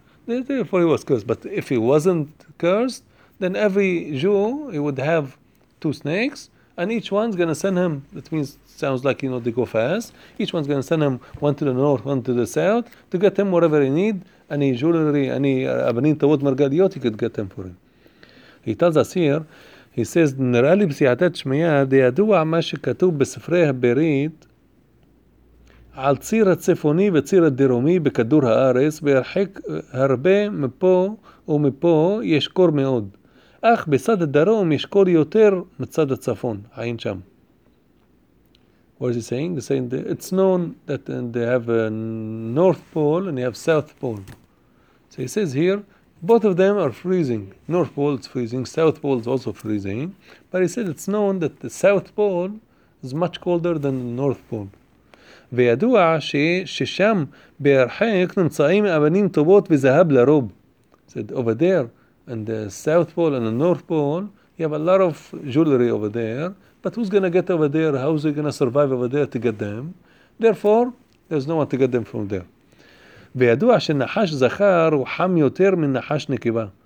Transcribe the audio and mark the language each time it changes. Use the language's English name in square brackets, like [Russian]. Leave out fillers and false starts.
[English] Therefore, he was cursed. But if he wasn't cursed, then every Jew he would have two snakes, and each one's gonna send him. That means sounds like they go fast. Each one's gonna send him one to the north, one to the south, to get him whatever he need, any jewelry, any abanin tavod margaliot, he could get him for him. He tells us here. [Hebrew] He says, נראה לי בסיעתת שמיה, דידוע מה שכתוב בספרי הברית על ציר הצפוני וציר הדרומי בכדור הארץ, והרחק הרבה מפה ומפה יש קור מאוד. אך בצד הדרום יש קור יותר מצד הצפון. עין שם. [English] What is he saying? He's saying that it's known that they have a north pole and they have south pole. So he says here, both of them are freezing. North Pole is freezing. South Pole is also freezing. But he said it's known that the South Pole is much colder than the North Pole. [Hebrew] וידוע ששם בהרחק נמצאים אבנים טובות וזהב לרוב. [English] He said over there, in the South Pole and the North Pole, you have a lot of jewelry over there. But who's going to get over there? How's he going to survive over there to get them? Therefore, there's no one to get them from there. [Hebrew] וידוע שנחש זכר הוא חם יותר מנחש נקבה.